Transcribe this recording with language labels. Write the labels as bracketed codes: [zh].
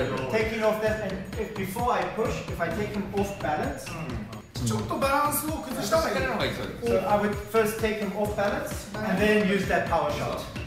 [en] Taking off that and before I push, if I take him off balance. [ja] ちょっとバランスを崩した方がいい。 [en] そう、I would first take him off balance and then use that power shot。